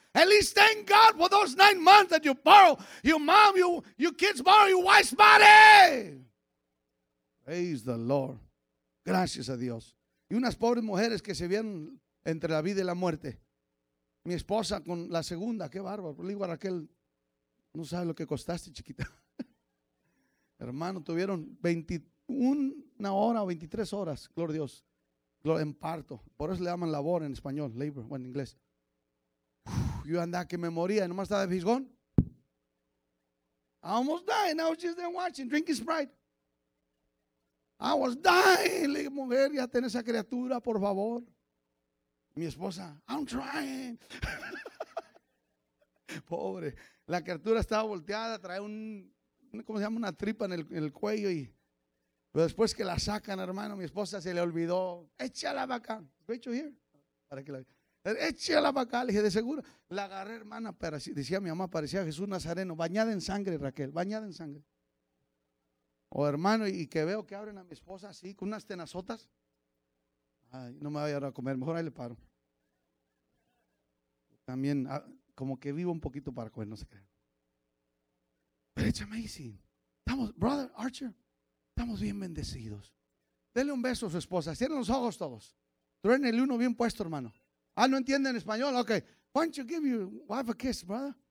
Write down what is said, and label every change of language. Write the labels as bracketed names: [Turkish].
[English] At least thank God for those 9 months that you borrow. Your mom, your kids borrow your wife's body. Praise the Lord. [Spanish] Gracias a Dios. Y unas pobres mujeres que se vieron entre la vida y la muerte. Mi esposa con la segunda, qué bárbaro. Le digo a Raquel, no sabes lo que costaste, chiquita. Hermano, tuvieron 21 hora o 23 horas, gloria a Dios, en parto. Por eso le llaman labor en español, labor, bueno, en inglés. Yo andaba que me moría, nomás estaba de fisgón. [English] I almost died, and I was just there watching, drinking Sprite. I was dying. [Spanish] Le dije, mujer, ya ten esa criatura, por favor. Mi esposa, [English] I'm trying. [Spanish] Pobre. La criatura estaba volteada, trae un, ¿cómo se llama? Una tripa en el cuello. Pero después que la sacan, hermano, mi esposa se le olvidó. Échala para acá. Rachel, [English] here. [Spanish] Para que la... Échala para acá. Le dije, de seguro. La agarré, hermana, pero así, decía mi mamá, parecía Jesús Nazareno. Bañada en sangre, Raquel, bañada en sangre. Oh, hermano, y que veo que abren a mi esposa así, con unas tenazotas. Ay, no me voy a ir a comer, mejor ahí le paro. También, como que vivo un poquito para comer, no se crean. Pero [English] it's amazing. [Spanish] Estamos, brother Archer, estamos bien bendecidos. Denle un beso a su esposa, cierren los ojos todos. Truénele uno bien puesto, hermano. Ah, ¿no entienden español? Ok. [English] Why don't you give your wife a kiss, brother?